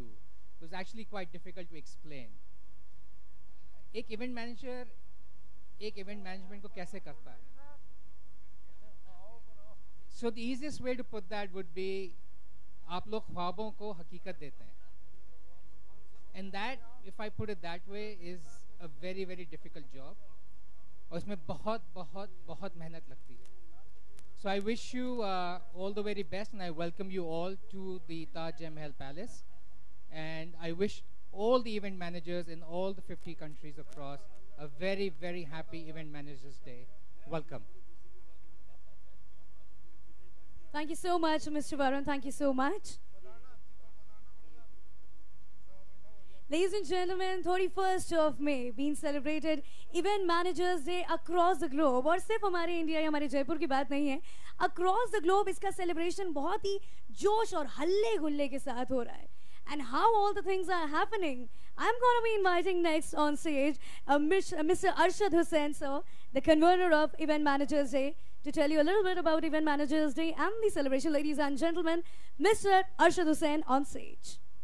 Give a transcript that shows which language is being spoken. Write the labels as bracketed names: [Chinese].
[English] It was actually quite difficult to explain. [Hindi] Ek event manager, ek event management ko kaise karta hai? [English] So the easiest way to put that would be, [Hindi] aap log khwabon ko hakikat dete hain. [English] And that, if I put it that way, is a very, very difficult job. [Hindi] और इसमें बहुत बहुत बहुत मेहनत लगती है. [English] So I wish you all the very best and I welcome you all to the Taj Mahal palace and I wish all the event managers in all the 50 countries across a very very happy event managers day. Welcome. Thank you so much mister Varun. Thank you so much. Ladies and gentlemen, 31st of May being celebrated Event Managers Day across the globe. [Hindi] और सिर्फ हमारे India या हमारे जयपुर की बात नहीं है, [English] across the globe [Hindi] इसका celebration बहुत ही जोश और हल्ले गुल्ले के साथ हो रहा है. [English] And how all the things are happening, I'm going to be inviting next on stage Mr. Arshad Hussain, sir, the convener of Event Managers Day, to tell you a little bit about Event Managers Day and the celebration. Ladies and gentlemen, Mr. Arshad Hussain on stage.